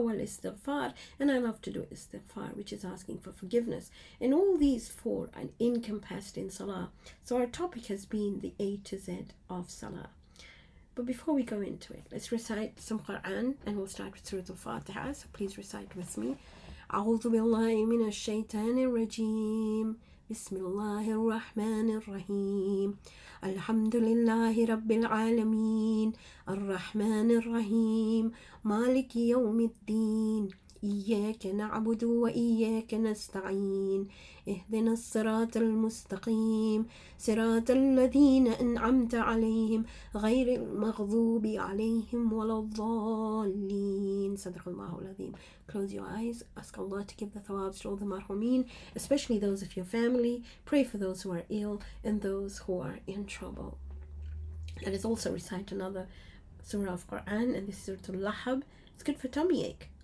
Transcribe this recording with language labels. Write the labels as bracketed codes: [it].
[en] Wal istighfar, and I love to do istighfar, which is asking for forgiveness. And all these four are encompassed in salah. So our topic has been the A to Z of salah. But before we go into it, let's recite some Quran, and we'll start with Surah Al-Fatiha. So please recite with me. [ar] A'udhu billahi minash shaitanir rajim. بسم الله الرحمن الرحيم الحمد لله رب العالمين الرحمن الرحيم مالك يوم الدين إياك نعبد وإياك نستعين اهدنا الصراط المستقيم صراط الذين أنعمت عليهم غير المغضوب عليهم ولا الضالين. صدق الله العظيم. [en] Close your eyes, ask Allah to give the thawabs to all the marhumeen, especially those of your family. Pray for those who are ill and those who are in trouble. Let us also recite another surah of Quran, and this is Surah Al-Lahab. It's good for tummy ache.